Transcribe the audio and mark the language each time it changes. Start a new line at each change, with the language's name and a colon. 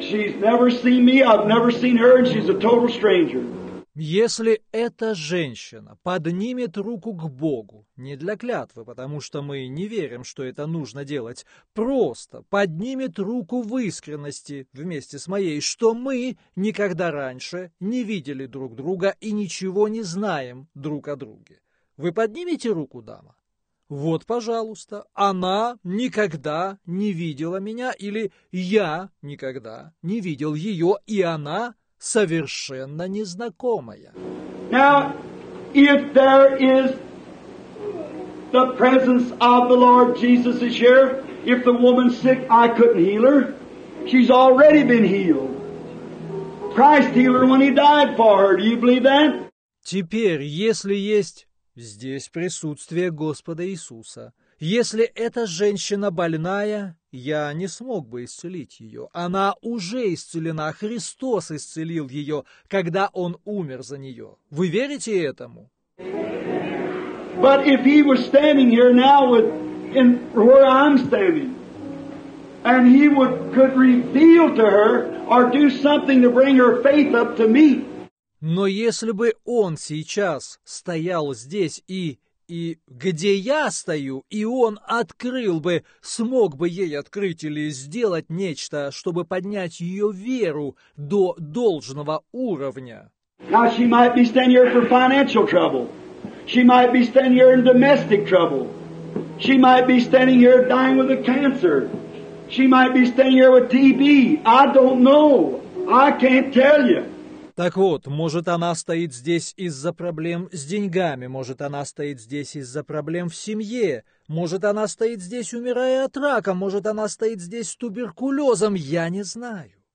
English: She's never seen me, I've never seen her, and she's a total stranger.
Russian: Если эта женщина поднимет руку к Богу, не для клятвы, потому что мы не верим, что это нужно делать, просто поднимет руку в искренности вместе с моей, что мы никогда раньше не видели друг друга и ничего не знаем друг о друге. Вы поднимете руку, дама? Вот, пожалуйста, она никогда не видела меня, или я никогда не видел ее, и она... совершенно незнакомая.
English: Now, if there is the presence of the Lord Jesus is here, if the woman's sick, I couldn't heal her. She's already been healed. Christ healed her when he died for her. Do you believe that?
Russian: Теперь, если есть здесь присутствие Господа Иисуса, если эта женщина больная, я не смог бы исцелить ее. Она уже исцелена. Христос исцелил ее, когда Он умер за нее. Вы верите этому?
English: But if he was standing here now with in where I'm standing, and he would could reveal to her or do something to bring her faith up to me.
Russian: Но если бы он сейчас стоял здесь и где я стою, и он открыл бы, смог бы ей открыть или сделать нечто, чтобы поднять ее веру до должного уровня.
English: Now she might be standing here for financial trouble. She might be standing here in domestic trouble. She might be standing here dying with a cancer. She might be standing here with TB. I don't know. I can't tell you.
Russian: Так вот, может, она стоит здесь из-за проблем с деньгами, может, она стоит здесь из-за проблем в семье, может, она стоит здесь, умирая от рака, может, она стоит здесь с туберкулезом, я не знаю.